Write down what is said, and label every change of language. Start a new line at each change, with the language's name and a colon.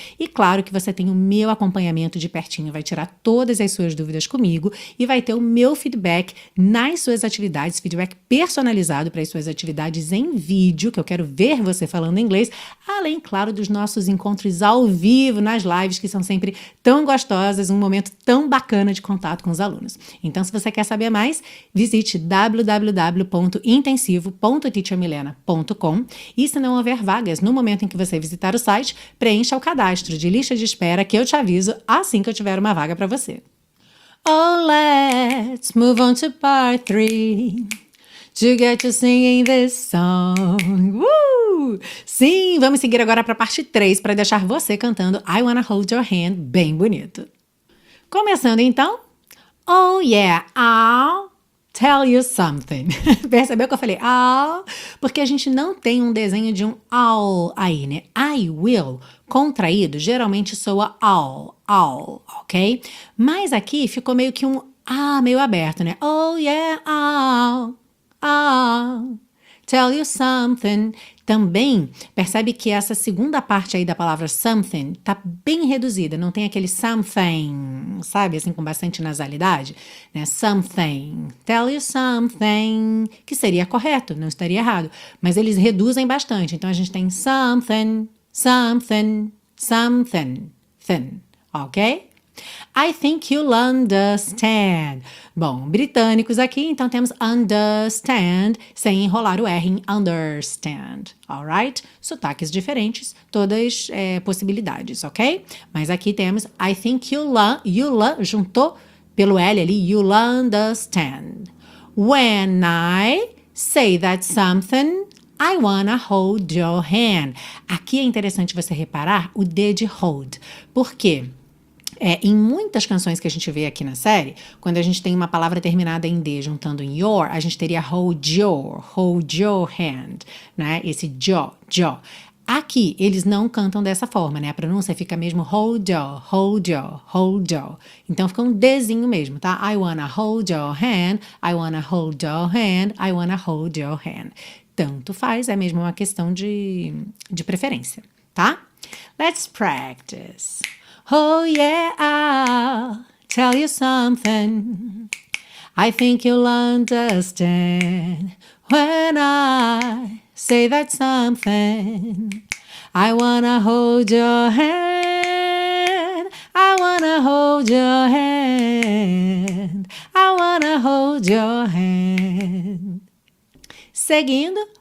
Portuguese: E claro que você tem o meu acompanhamento de pertinho, vai tirar todas as suas dúvidas comigo e vai ter o meu feedback nas suas atividades, feedback personalizado para as suas atividades em vídeo, que eu quero ver você falando inglês, além, claro, dos nossos encontros ao vivo, nas lives, que são sempre tão gostosas, um momento tão bacana de contato com os alunos. Então, se você quer saber mais, visite www.intensivo.teachermilena.com e se não houver vagas no momento em que você visitar o site, preencha o cadastro de lista de espera que eu te aviso assim que eu tiver uma vaga para você.
English: Oh, let's move on to part 3 to get you singing this song.
Portuguese: Sim, vamos seguir agora para a parte 3 para deixar você cantando I Wanna Hold Your Hand bem bonito. Começando então,
English: oh yeah, I'll tell you something.
Portuguese: Percebeu que eu falei I'll? Porque a gente não tem um desenho de um I'll aí, né? I will, contraído, geralmente soa I'll, I'll, ok? Mas aqui ficou meio que um ah meio aberto, né?
English: Oh yeah, I'll, I'll tell you something.
Portuguese: Também, percebe que essa segunda parte aí da palavra something tá bem reduzida, não tem aquele something, sabe, assim, com bastante nasalidade, né, something,
English: tell you something,
Portuguese: que seria correto, não estaria errado, mas eles reduzem bastante, então a gente tem something, something, something, thin, ok?
English: I think you'll understand.
Portuguese: Bom, britânicos aqui, então temos understand, sem enrolar o R em understand. Alright? Sotaques diferentes, todas possibilidades, ok? Mas aqui temos
English: I think you'll
Portuguese: juntou pelo L ali,
English: you'll understand. When I say that something, I wanna hold your hand.
Portuguese: Aqui é interessante você reparar o D de hold. Por quê? Em muitas canções que a gente vê aqui na série, quando a gente tem uma palavra terminada em D juntando em your, a gente teria
English: hold your hand,
Portuguese: né? Esse jo, jo. Aqui, eles não cantam dessa forma, né? A pronúncia fica mesmo
English: hold your, hold your, hold your.
Portuguese: Então, fica um Dzinho mesmo, tá?
English: I wanna hold your hand, I wanna hold your hand, I wanna hold your hand.
Portuguese: Tanto faz, é mesmo uma questão de preferência, tá?
English: Let's practice. Oh yeah, I'll tell you something, I think you'll understand. When I say that something, I wanna hold your hand, I wanna hold your hand, I wanna hold your hand.
Portuguese: Seguindo,